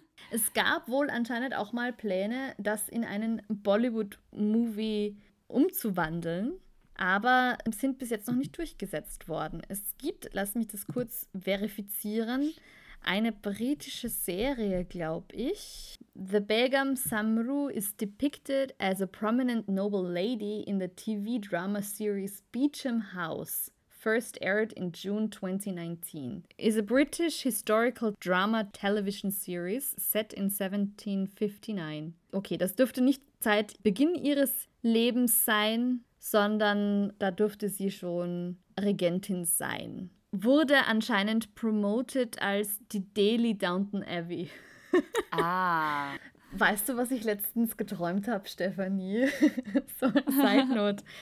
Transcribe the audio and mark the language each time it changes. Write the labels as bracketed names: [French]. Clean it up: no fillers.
[German] Es gab wohl anscheinend auch mal Pläne, das in einen Bollywood-Movie umzuwandeln, aber sind bis jetzt noch nicht durchgesetzt worden. Es gibt, lass mich das kurz verifizieren, eine britische Serie, glaube ich. [English] The Begum Samru is depicted as a prominent noble lady in the TV drama series Beecham House, first aired in June 2019. Is a British historical drama television series set in 1759. [German] Okay, das dürfte nicht seit Beginn ihres Lebens sein, sondern da dürfte sie schon Regentin sein. Wurde anscheinend promoted als die Daily Downton Abbey. Weißt du, was ich letztens geträumt habe, Stefanie? So eine Side Note.